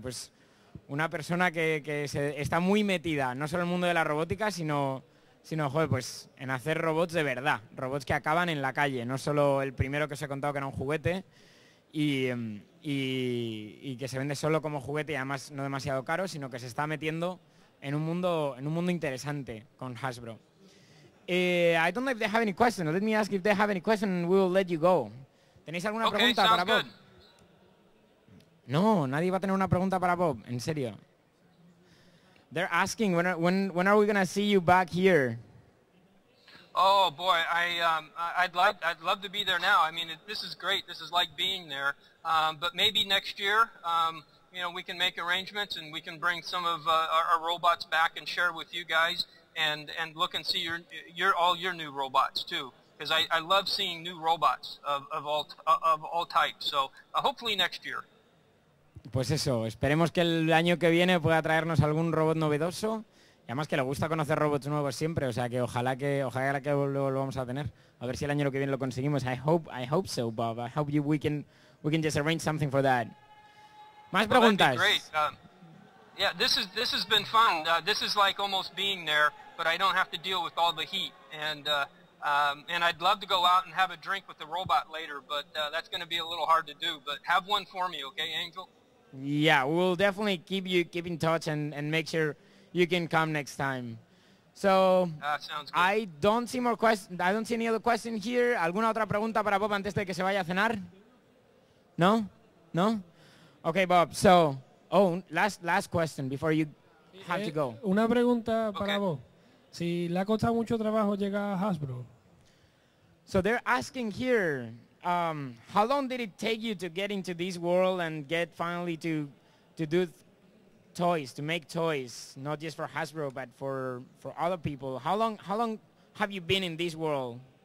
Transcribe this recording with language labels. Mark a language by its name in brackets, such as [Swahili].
[Spanish] Pues una persona que está muy metida, no solo en el mundo de la robótica, sino joder, pues en hacer robots de verdad. Robots que acaban en la calle, no solo el primero que os he contado que era un juguete y que se vende solo como juguete y además no demasiado caro, sino que se está metiendo en un mundo interesante con Hasbro. [English] I don't know if they have any questions. Let me ask if they have any questions and we will let you go. [Spanish] ¿Tenéis alguna pregunta para Bob? No, nadie va a tener una pregunta para Bob, en serio. [English] They're asking when are we going to see you back here? Oh boy, I'd love to be there now. I mean, this is great. This is like being there. But maybe next year, you know, we can make arrangements and we can bring some of our robots back and share with you guys and look and see all your new robots too, because I love seeing new robots of all types. So hopefully next year. [Spanish] Pues eso, esperemos que el año que viene pueda traernos algún robot novedoso. Y además que le gusta conocer robots nuevos siempre, o sea que ojalá que lo volvamos a tener. A ver si el año que viene lo conseguimos. [English] I hope so, Bob. I hope we can just arrange something for that. [Spanish] Más preguntas. [English] Well, that'd be great. This has been fun. This is like almost being there, but I don't have to deal with all the heat. And I'd love to go out and have a drink with the robot later, but that's going to be a little hard to do. But have one for me, okay, Angel? Yeah, we'll definitely keep in touch and make sure you can come next time. So sounds good. I don't see any other question here. [Spanish] ¿Alguna otra pregunta para Bob antes de que se vaya a cenar? [English] No? No? Okay, Bob. So, last question before you have to go. [Spanish] Una pregunta para vos. Si le ha costado mucho trabajo llegar a Hasbro. [English] So they're asking here, how long did it take you to get into this world and get finally to do toys, to make toys, not just for Hasbro but for other people? How long have you been in this world?